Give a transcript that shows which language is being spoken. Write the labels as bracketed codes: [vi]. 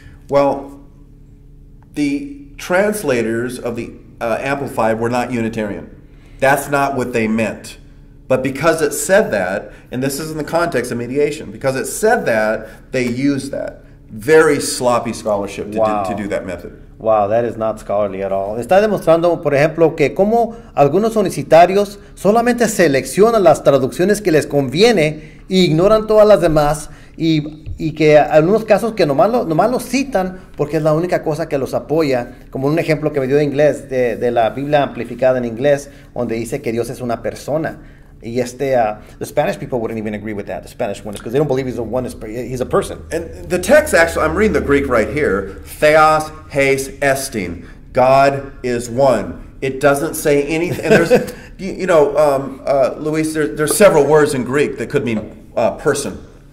[en] Well, the translators of the Amplified were not Unitarian. That's not what they meant. But because it said that, and this is in the context of mediation, because it said that, they used that. Very sloppy scholarship to, wow. to do that method. Wow, that is not scholarly at all. [es] Está demostrando, por ejemplo, que como algunos unicitarios solamente seleccionan las traducciones que les conviene e ignoran todas las demás y que en algunos casos que nomás lo citan porque es la única cosa que los apoya, como un ejemplo que me dio de inglés, de la Biblia amplificada en inglés, donde dice que Dios es una persona. [en] Y the Spanish people wouldn't even agree with that, the Spanish ones, because they don't believe he's a person. And the text, actually, I'm reading the Greek right here, theos, heis, estin, God is one. It doesn't say anything. And there's, Luis, there's several words in Greek that could mean person.